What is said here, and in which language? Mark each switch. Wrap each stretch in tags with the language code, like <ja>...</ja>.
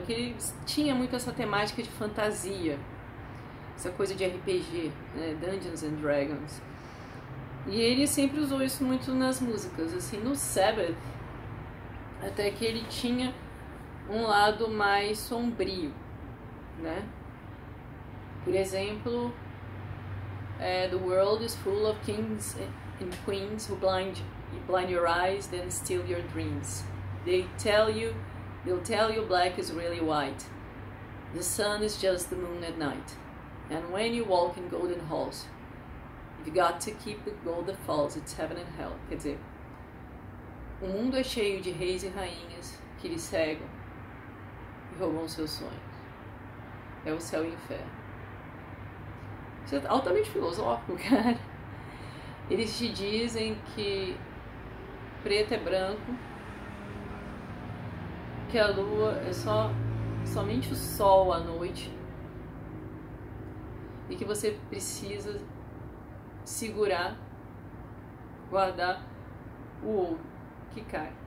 <pt>Que ele tinha muito essa temática de fantasia. Essa coisa de RPG, né? Dungeons and Dragons. E ele sempre usou isso muito nas músicas, assim, no Sabbath. Até que ele tinha um lado mais sombrio, né? Por exemplo,</pt> <en>The world is full of kings and queens who blind your eyes, then steal your dreams. They tell you They'll tell you black is really white. The sun is just the moon at night. And when you walk in golden halls, you've got to keep the gold that falls, it's heaven and hell.</en> <pt>Quer dizer, o mundo é cheio de reis e rainhas que lhe cegam e roubam seus sonhos. É o céu e o inferno. Isso é altamente filosófico, cara. Eles te dizem que preto é branco, que a lua é só somente o sol à noite e que você precisa segurar, guardar o ouro que cai.</pt>